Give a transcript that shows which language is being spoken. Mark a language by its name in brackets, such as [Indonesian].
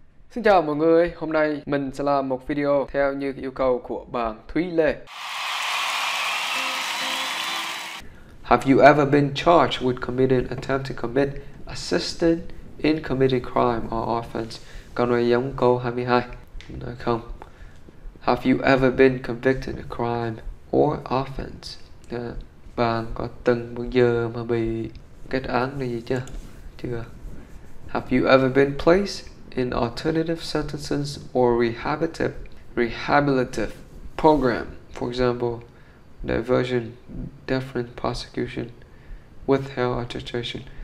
[Vietnamese] Xin chào mọi người, hôm nay mình sẽ làm một video theo như yêu cầu của bạn Thúy Lê. [English] Have you ever been charged with committing attempt to commit assisting in committing crime or offense? [Vietnamese] Câu này giống câu 22. Nói không. [English] Have you ever been convicted of crime or offense? [Vietnamese] Bạn có từng bao giờ mà bị kết án gì chưa? Chưa. [English] Have you ever been placed in alternative sentences or rehabilitative program, for example, diversion, deferred prosecution, withheld attestation.